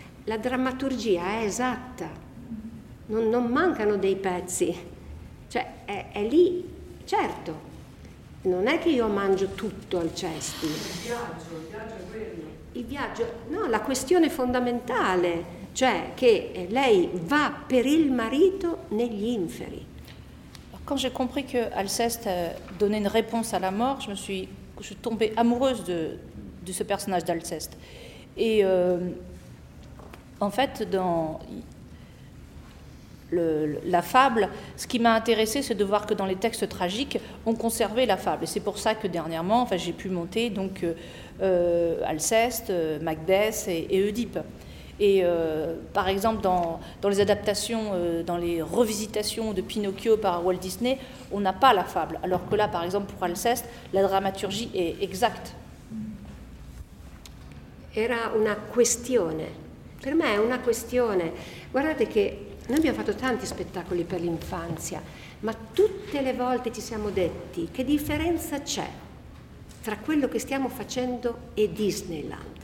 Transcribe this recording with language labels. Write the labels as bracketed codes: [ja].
[it] La drammaturgia è esatta, non mancano dei pezzi, cioè è lì, certo, non è che io mangio tutto Alcesti. Il viaggio è quello. Il viaggio, no, la questione fondamentale, cioè che lei va per il marito negli inferi. [fr] Quand j'ai compris que Alceste donnait une réponse à la mort, je suis tombée amoureuse de ce personnage d'Alceste. Et en fait, dans la fable, ce qui m'a intéressée, c'est de voir que dans les textes tragiques, on conservait la fable. Et c'est pour ça que dernièrement, enfin, j'ai pu monter donc, Alceste, Macbeth et Œdipe. Et par exemple, dans les adaptations, dans les revisitations de Pinocchio par Walt Disney, on n'a pas la fable. Alors que là, par exemple, pour Alceste, la dramaturgie est exacte. [it] Era una questione. Per me è una questione, guardate che noi abbiamo fatto tanti spettacoli per l'infanzia, ma tutte le volte ci siamo detti che differenza c'è tra quello che stiamo facendo e Disneyland.